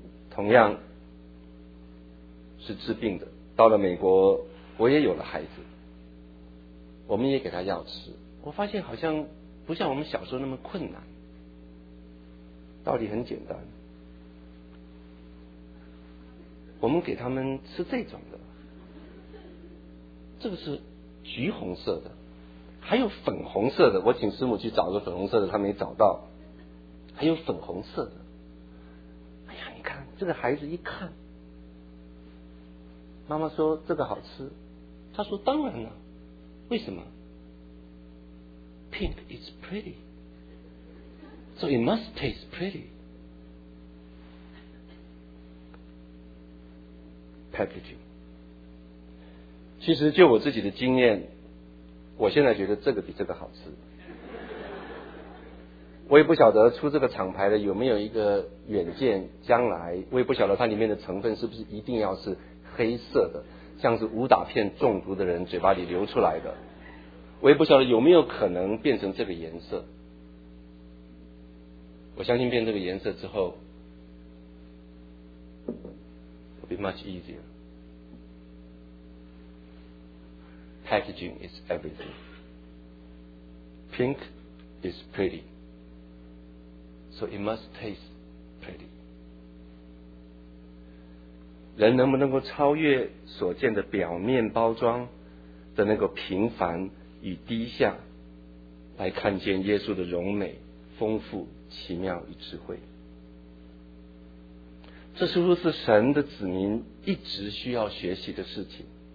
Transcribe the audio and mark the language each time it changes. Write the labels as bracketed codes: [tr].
[zh] 同样是治病的，到了美国我也有了孩子，我们也给他药吃，我发现好像不像我们小时候那么困难，道理很简单，我们给他们吃这种的，这个是橘红色的，还有粉红色的，我请师母去找个粉红色的，他没找到，还有粉红色的。哎呀，你看这个孩子一看，妈妈说这个好吃，他说当然了，为什么？ [en] Pink is pretty, so it must taste pretty. Packaging. [zh] 其实就我自己的经验，我现在觉得这个比这个好吃。我也不晓得出这个厂牌的有没有一个远见，将来我也不晓得它里面的成分是不是一定要是黑色的，像是武打片中毒的人嘴巴里流出来的，我也不晓得有没有可能变成这个颜色。我相信变这个颜色之后 [en] will be much easier. Packaging is everything. Pink is pretty, so it must taste pretty. [zh] 人能不能够超越所见的表面包装的那个平凡与低下，来看见耶稣的荣美、丰富、奇妙与智慧？这是不是神的子民一直需要学习的事情？